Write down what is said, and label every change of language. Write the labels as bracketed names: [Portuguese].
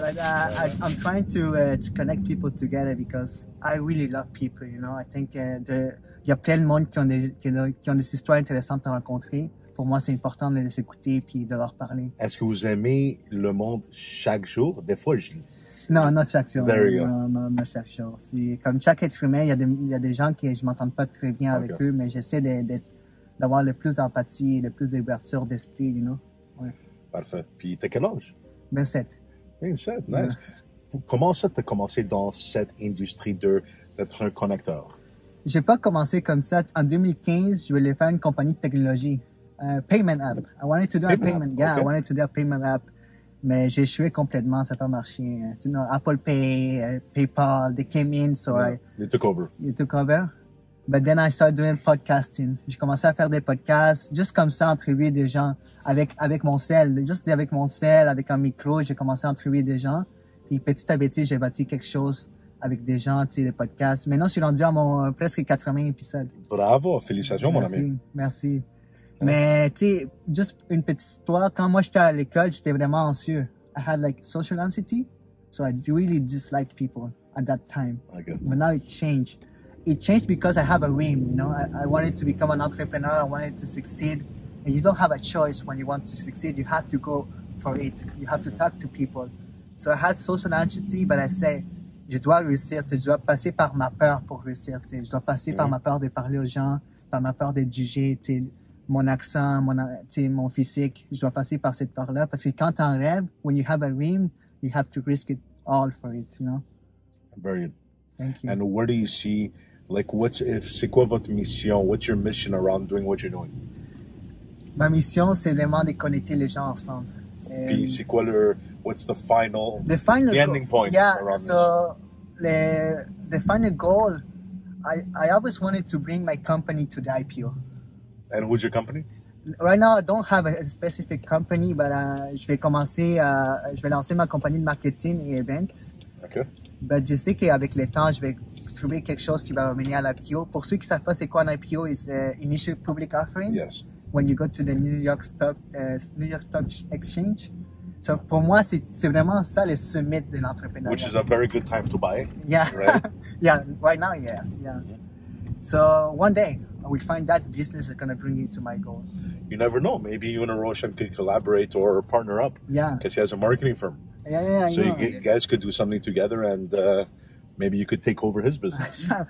[English] I'm trying to connect people together because I really love people, you know. I think [French] y a plein de monde qui ont des histoires intéressantes à rencontrer. Pour moi, c'est important de les écouter puis de leur parler. Est-ce que vous aimez le monde chaque jour? Des fois, je... Non, [English] not [French] chaque jour. [English] There you go. [French] Non, chaque jour. Comme chaque être humain, il y a des gens que je m'entends pas très bien avec eux, mais j'essaie d'avoir le plus d'empathie, le plus d'ouverture d'esprit, [English] you know? [French] Ouais. Parfait. Puis, t'as quel âge? 27. [English] 27, nice. [French] Ouais. Comment ça t'as commencé dans cette industrie d'être un connecteur? J'ai pas commencé comme ça. En 2015, je voulais faire une compagnie de technologie. [English] Payment app. I wanted to do payment a payment. App. Yeah, okay. I wanted to do a payment app. [French] Mais j'ai échoué complètement, ça n'a pas marché. [English] You know, Apple Pay, PayPal, they came in, so yeah. They took over. But then I started doing podcasting. [French] J'ai commencé à faire des podcasts, juste comme ça, entrevuer des gens avec mon cell. Juste avec mon cell, avec un micro, j'ai commencé à entrevuer des gens. Puis petit à petit, j'ai bâti quelque chose avec des gens, tu sais, des podcasts. Maintenant, je suis rendu à mon presque 80 épisodes. Bravo, félicitations, merci, mon ami. Merci. Ouais. Mais, tu sais, juste une petite histoire. Quand moi, j'étais à l'école, j'étais vraiment anxieux. [English] I had like social anxiety, so I really disliked people at that time. Okay. But now it changed. It changed because I have a dream, you know. I wanted to become an entrepreneur. I wanted to succeed. And you don't have a choice when you want to succeed. You have to go for it. You have to talk to people. So I had social anxiety, but I say, [French] je dois réussir. Je dois passer par ma peur pour réussir. Je dois passer par ma peur de parler aux gens, par ma peur d'être jugé. Mon accent, mon physique. Je dois passer par cette peur-là. Parce que quand tu as un rêve, [English] when you have a dream, you have to risk it all for it, you know. Brilliant. Thank you. And where do you see, like, [French] c'est quoi votre mission? [English] What's your mission around doing what you're doing? [French] Ma mission, c'est vraiment de connecter les gens ensemble. Puis c'est quoi [English] what's the final? The final the ending point. Yeah, so, the final goal, I always wanted to bring my company to the IPO. And who's your company? Right now, I don't have a specific company, but [French] je vais lancer ma compagnie de marketing et events. [English] Okay. [French] But je sais qu'avec le temps, je vais trouver quelque chose qui va mener à l'IPO. Pour ceux qui ne savent pas c'est quoi un IPO, c'est Initial Public Offering. [English] Yes. When you go to the New York Stock Exchange. [French] So pour moi, c'est vraiment ça le summit de l'entrepreneuriat. [English] Which is a very good time to buy. Yeah. Right? Yeah, right now, yeah. So one day, I will find that business that's going to bring you to my goal. You never know. Maybe you and Roshan could collaborate or partner up. Yeah. Because he has a marketing firm. Yeah, so you guys could do something together and maybe you could take over his business.